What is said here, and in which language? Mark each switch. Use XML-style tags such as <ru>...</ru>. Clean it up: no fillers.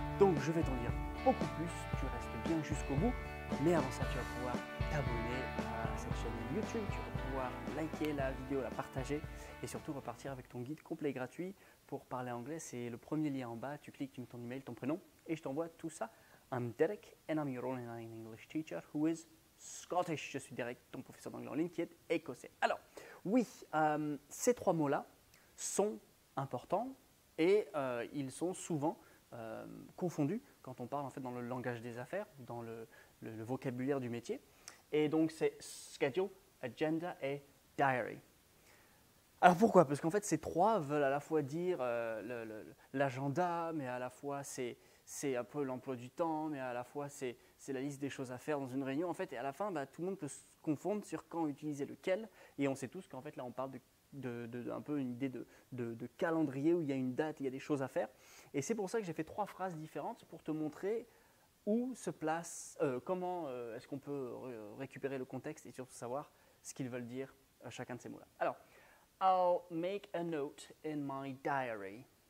<fr>Donc je vais t'en dire beaucoup plus, tu restes bien jusqu'au bout, mais avant ça tu vas pouvoir t'abonner à cette chaîne YouTube, tu vas pouvoir liker la vidéo, la partager et surtout repartir avec ton guide complet gratuit pour parler anglais. C'est le premier lien en bas, tu cliques, tu mets ton email, ton prénom et je t'envoie tout ça.</fr> <en>I'm Derek and I'm your online English teacher who is Scottish.</en> <fr>Je suis Derek, ton professeur d'anglais en ligne qui est écossais. Alors, oui, ces trois mots-là sont importants et ils sont souvent confondus quand on parle en fait dans le langage des affaires, dans le vocabulaire du métier. Et donc, c'est schedule, agenda et diary. Alors pourquoi? Parce qu'en fait, ces trois veulent à la fois dire l'agenda, mais à la fois c'est un peu l'emploi du temps, mais à la fois c'est la liste des choses à faire dans une réunion. En fait, et à la fin, bah, tout le monde peut se confondre sur quand utiliser lequel. Et on sait tous qu'en fait, là, on parle d'un peu une idée de calendrier où il y a une date, il y a des choses à faire. Et c'est pour ça que j'ai fait trois phrases différentes pour te montrer où se place, comment est-ce qu'on peut récupérer le contexte et surtout savoir ce qu'ils veulent dire à chacun de ces mots-là.</fr> <en>Alors, I'll make a note in my diary.</en>